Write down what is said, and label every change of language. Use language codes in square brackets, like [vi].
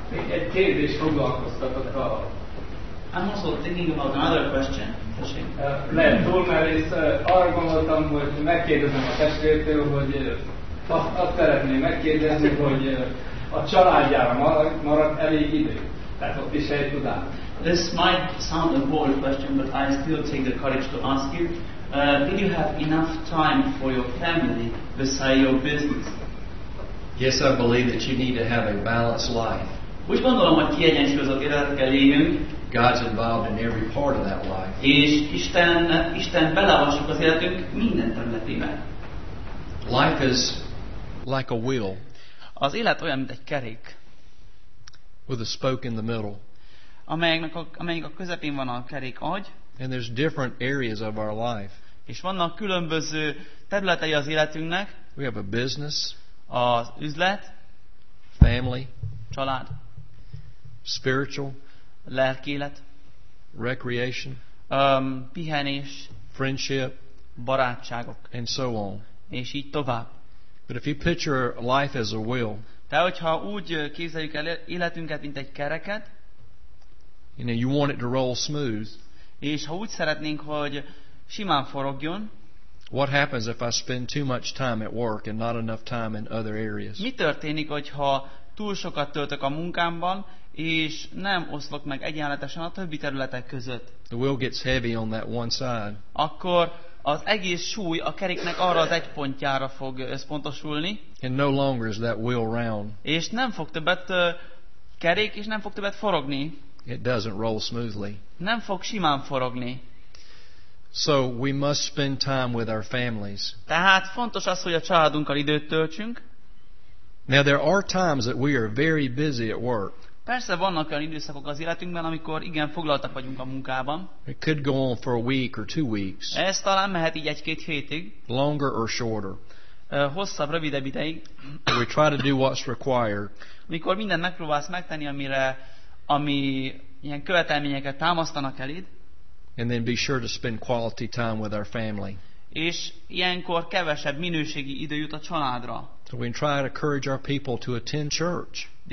[hu] Egy kérdés foglalkoztatott a... [en] I'm also thinking about another question. [hu] Lehet túlmerész, arra gondoltam, hogy megkérdezem a testvértől, hogy azt szeretném megkérdezni, hogy a családjára maradt elég idő. Tehát ott is helyt tudám. [en] This might sound a bold question, but I still take the courage to ask you. Did you have enough time for your family beside your business? Yes, I believe that you need to have a balanced life. [hu] Úgy gondolom, hogy kiegyensúlyozott életet kell élnünk. [en] God's involved in every part of that life. [hu] És Isten beleavatkozik az életünk minden területében. [en] Life is like a wheel. [hu] Az élet olyan, mint egy kerék. [en] With a spoke in the middle. [hu] Amelyik a közepén van a kerék agy. [en] And there's different areas of our life. [hu] És vannak különböző területei az életünknek. [en] We have a business. [hu] Az üzlet. [en] Family. [hu] Család. [en] Spiritual. [hu] Lelki élet. [en] Recreation. [hu] Pihenés. [en] Friendship. [hu] Barátságok. [en] And so on. [hu] És így tovább. [en] But if you picture life as a wheel. [hu] De hogyha úgy képzeljük el életünket, mint egy kereket. [en] You know, you want it to roll smooth. [hu] És ha úgy szeretnénk, hogy simán forogjon. [en] What happens if I spend too much time at work and not enough time in other areas? [hu] Mi történik, hogyha túl sokat töltök a munkámban, és nem oszlok meg egyenletesen a többi területek között? [en] The wheel gets heavy on that one side. [hu] Akkor az egész súly a keréknek arra az egy pontjára fog összpontosulni. [en] And no longer is that wheel round. [hu] És nem fog többet kerék, és nem fog többet forogni. [en] It doesn't roll smoothly. [hu] Nem fog simán forogni. [en] So we must spend time with our families. [hu] Tehát fontos az, hogy a családunkkal időt töltsünk. [en] Now there are times that we are very busy at work. [hu] Persze vannak olyan időszakok az életünkben, amikor igen foglaltak vagyunk a munkában. [en] It could go on for a week or two weeks. [hu] Ez talán mehet így egy-két hétig. [en] Longer or shorter. [hu] Hosszabb, rövidebb ideig. [en] We try to do what's required. [hu] Amikor mindent megpróbálsz megtenni, amire ami ilyen követelményeket támasztanak eléd. [en] And then be sure to spend quality time with our family. [hu] És ilyenkor kevesebb minőségi idő jut a családra. [en] So we try to encourage our people to attend church.